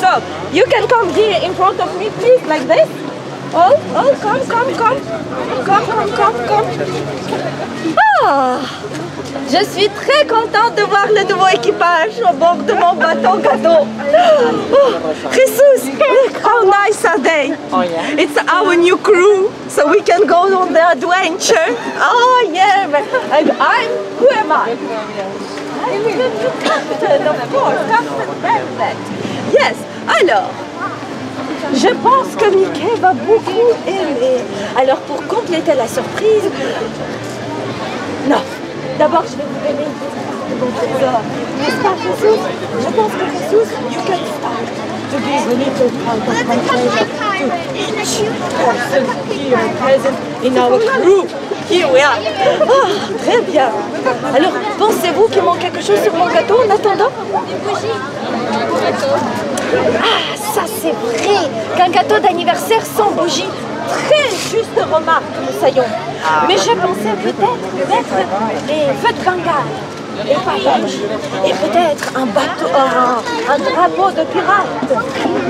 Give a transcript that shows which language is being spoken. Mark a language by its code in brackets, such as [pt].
[en] So, you can come here in front of me, please, like this. Oh, come. [fr] Ah, je suis très contente de voir le nouveau équipage au bord de mon bateau cadeau. Oh, Jesus, [en] Look how nice are they? Oh yeah. It's our new crew, so we can go on the adventure. Oh yeah, and I'm, who am I? I'm the captain, of course, Captain Velvet. [fr] Yes, alors. Je pense que Mickey va beaucoup aimer. Alors pour compléter la surprise, non. D'abord, je vais vous donner mon trésor. N'est-ce pas, Jesus? Je pense que [en] Jesus, you can start to be the little part of my treasure. To each person here present in our group. Here we are. [fr] Oh, très bien. Alors, pensez-vous qu'il manque quelque chose sur mon gâteau en attendant? Des bougies. Ah, ça c'est vrai! Qu'un gâteau d'anniversaire sans bougie! Très juste remarque, nous saillons! Mais je pensais peut-être mettre des feux de Bengale, et pas rouge, et peut-être un bateau, un drapeau de pirate!